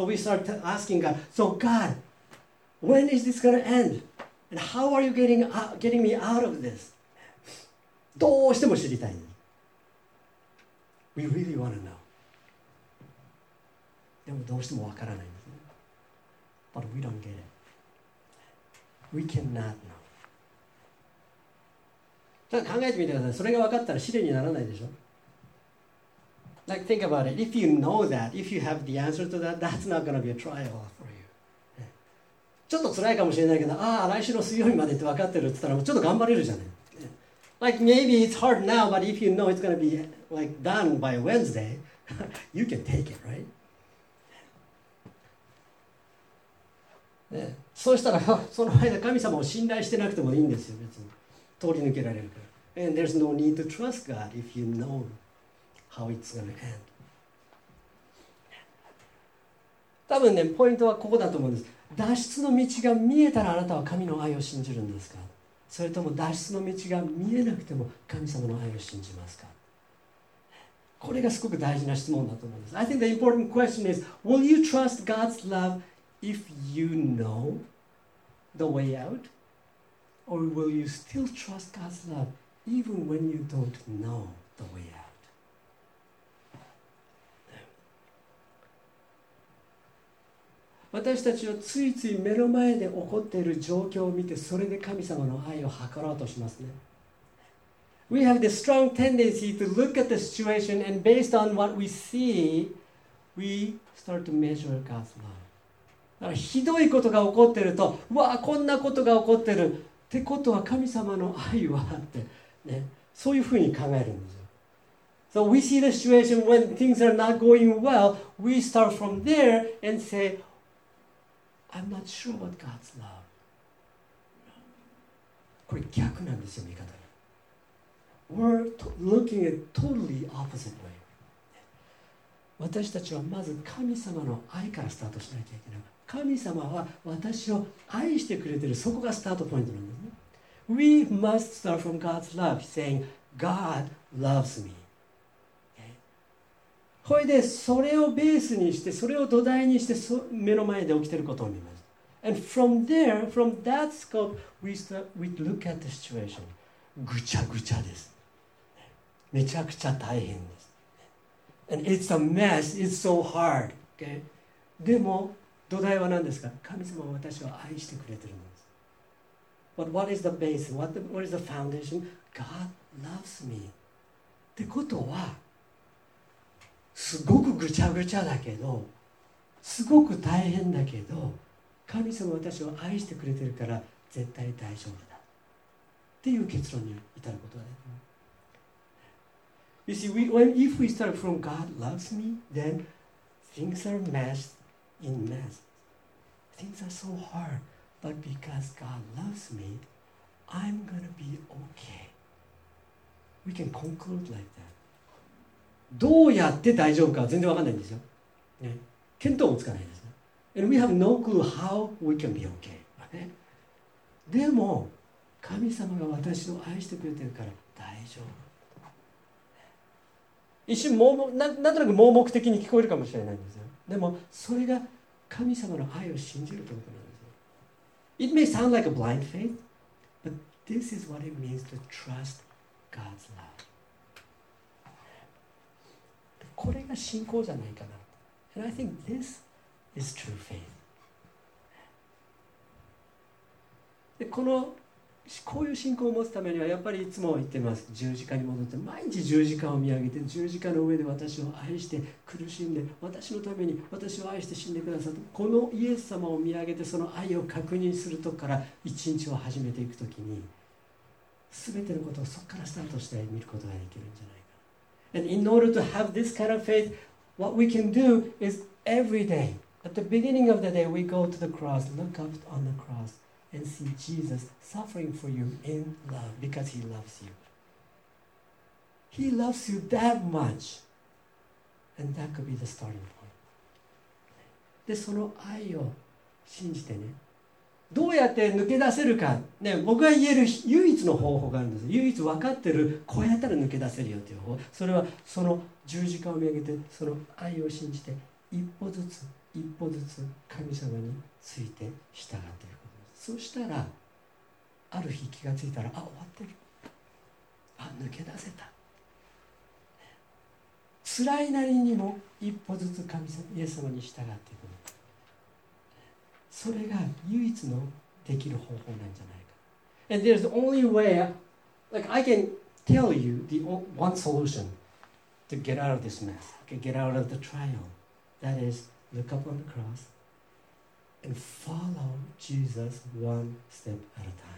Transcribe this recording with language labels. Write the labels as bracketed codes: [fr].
[en] So we start asking God. So God, when is this going to end? And how are you getting me out of this? [ja] どうしても知りたいんです。 [en] We really want to know. [ja] でもどうしてもわからないんですね。 [en] But we don't get it. We cannot know. [ja] じゃあ考えてみてください。それがわかったら試練にならないでしょ。 [en] Like think about it. If you know that, if you have the answer to that, that's not going to be a trial for you. [ja] ちょっと辛いかもしれないけど、ああ来週の水曜日までってわかってるって言ったらもうちょっと頑張れるじゃない。 [en] Like maybe it's hard now, but if you know it's going to be like done by Wednesday, you can take it, right? [ja] ね、そうしたらその間神様を信頼してなくてもいいんですよ、別に通り抜けられるから。 [en] And there's no need to trust God if you know how it's going to end. [ja] 多分ね、ポイントはここだと思うんです。脱出の道が見えたらあなたは神の愛を信じるんですか。それとも脱出の道が見えなくても神様の愛を信じますか。これがすごく大事な質問だと思うんです。 [en] I think the important question is, will you trust God's love if you know the way out? Or will you still trust God's love even when you don't know the way out? [ja] 私たちはついつい目の前で起こっている状況を見て、それで神様の愛を測ろうとしますね。 [en] We have this strong tendency to look at the situation and based on what we see, we start to measure God's love. [ja] だからひどいことが起こってると、わあこんなことが起こってるってことは神様の愛はってね、そういうふうに考えるんですよ。 [en] So we see the situation when things are not going well, we start from there and say, I'm not sure about God's love. [ja] これ逆なんですよ、見方。 [en] We're looking at totally opposite way. [ja] 私たちはまず神様の愛からスタートしなきゃいけない。神様は私を愛してくれている。そこがスタートポイントなんですね。 [en] We must start from God's love, saying, God loves me. [ja] それでそれをベースにして、それを土台にして、目の前で起きていることを見ます。 [en] And from there, from that scope, we start, we look at the situation. [ja] ぐちゃぐちゃです。めちゃくちゃ大変です。 [en] And it's a mess, it's so hard. Okay? [ja] でも、土台は何ですか？神様は私を愛してくれているんです。 [en] But what is the base? What is the foundation? God loves me. [ja] ってことは、すごくぐちゃぐちゃだけど、すごく大変だけど、神様は私を愛してくれてるから絶対大丈夫だっていう結論に至ることはできます。 [en] You see, if we start from God loves me, then things are messed in mess. Things are so hard, but because God loves me, I'm gonna be okay. We can conclude like that. [ja] どうやって大丈夫か全然わかんないんですよ。ね、見当もつかないです。 [en] And we have no clue how we can be okay. [ja] でも神様が私を愛してくれてるから大丈夫。一瞬盲目、なんとなく盲目的に聞こえるかもしれないんですよ。でもそれが神様の愛を信じるということなんですよ。 [en] It may sound like a blind faith, but this is what it means to trust God's love. [ja] これが信仰じゃないかな。 [en] And I think thisIs true faith. [ja] でこのこういう信仰を持つためにはやっぱりいつも言ってます、十字架に戻って毎日十字架を見上げて、十字架の上で私を愛して苦しんで私のために私を愛して死んでくださった、このイエス様を見上げてその愛を確認するとこから一日を始めていくときに、全てのことをそこからスタートして見ることができるんじゃないか。 [en] And in order to have this kind of faith, what we can do is every dayAt the beginning of the day, we go to the cross, look up on the cross, and see Jesus suffering for you in love because He loves you. He loves you that much. And that could be the starting point. [ja] で、その愛を信じてね、どうやって抜け出せるか、ね、僕が言える唯一の方法があるんです。唯一分かってる、こうやったら抜け出せるよっていう方法。それは、その十字架を見上げて、その愛を信じて、一歩ずつ。一歩ずつ神様について従っていくことです。そしたらある日気がついたら、あ、終わってる、あ、抜け出せた、辛いなりにも一歩ずつ神様、イエス様に従っていく、それが唯一のできる方法なんじゃないか。 [en] And there's the only way, like I can tell you the one solution to get out of this mess, get out of the trial, that isLook up on the cross and follow Jesus one step at a time.